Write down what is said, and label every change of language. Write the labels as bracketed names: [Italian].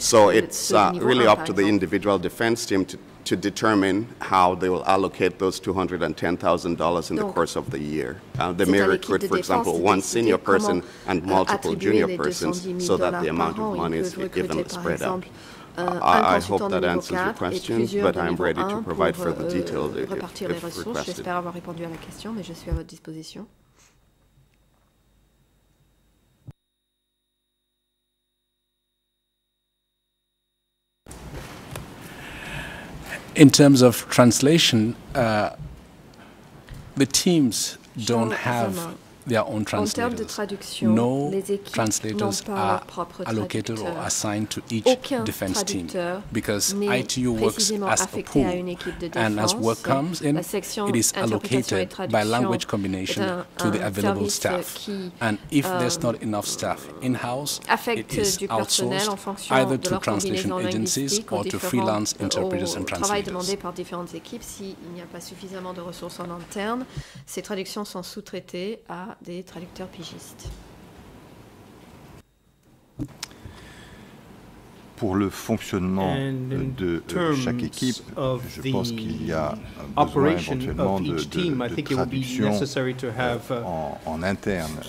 [English] So it's really up to the individual defense team to determine how they will allocate those $210,000 in the course of the year. They may recruit, for example, one senior person and multiple junior persons so that the amount of money is evenly spread out. I hope that answers your question, but I'm ready to provide further details if requested. [French] J'espère avoir répondu à la question, mais je suis à votre disposition. [English] In terms of translation, the teams don't have their own translators. No translators are allocated or assigned to each defense team because ITU works as a pool. And as work comes in, it is allocated by language combination to the available staff. And if there's not enough staff in-house, it is outsourced either to translation agencies or to freelance interpreters and translators. [French] Travail demandé par différentes équipes, s'il n'y a pas suffisamment de ressources en interne, ces traductions sont sous-traitées à des traducteurs pigistes. Pour le fonctionnement de chaque équipe, je pense qu'il y a besoin éventuellement de traduction en interne.